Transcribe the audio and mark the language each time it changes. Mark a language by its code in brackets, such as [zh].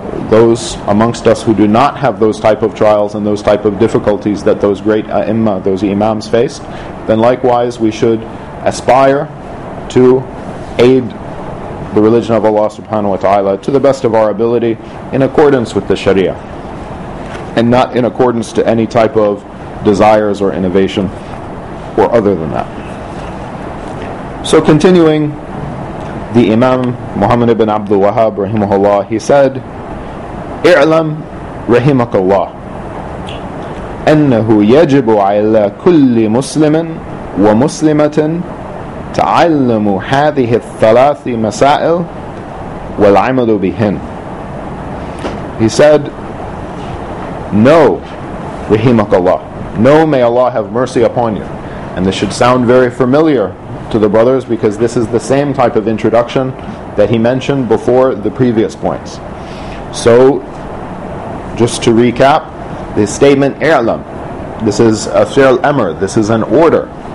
[en] Those amongst us who do not have those type of trials and those type of difficulties that those great a'imma, those imams faced, then likewise we should aspire to aid the religion of Allah subhanahu wa ta'ala to the best of our ability in accordance with the Sharia, and not in accordance to any type of desires or innovation or other than that. So continuing, the Imam Muhammad ibn Abdul Wahhab, rahimahullah, he said, [ar] اعلم رحمك الله أنه يجب على كل مسلم ومسلمة تعلم هذه الثلاث مسائل والعمل بهن. [en] He said, know, rahimak Allah, know, may Allah have mercy upon you. And this should sound very familiar to the brothers, because this is the same type of introduction that he mentioned before the previous points. So, just to recap, the statement i'lam, this is a fi'l amr, this is an order.